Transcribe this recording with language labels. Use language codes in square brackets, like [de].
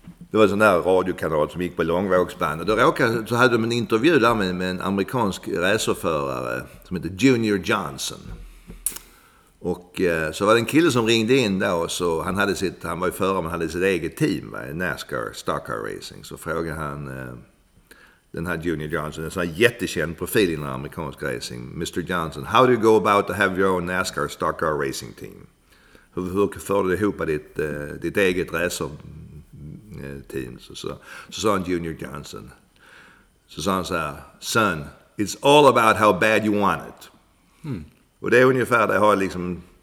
[sv] Det var en sån där radiokanal som gick på långvågsband. Och då så hade de en intervju där med en amerikansk racerförare som heter Junior Johnson. Och så var det en kille som ringde in då, och så han var ju förare, men hade sitt eget team, va, NASCAR, Stock Car Racing. Så frågade han den här Junior Johnson, en sån här jättekänd profil inom amerikansk racing. [en] Mr. Johnson, how do you go about to have your own NASCAR Stock Car Racing team? [sv] Hur för du ihop ditt eget racer teams? Så sa han, Junior Johnson. Så sa han så här, [en] son, it's all about how bad you want it. [sv] Mm. Och det är ungefär det har liksom...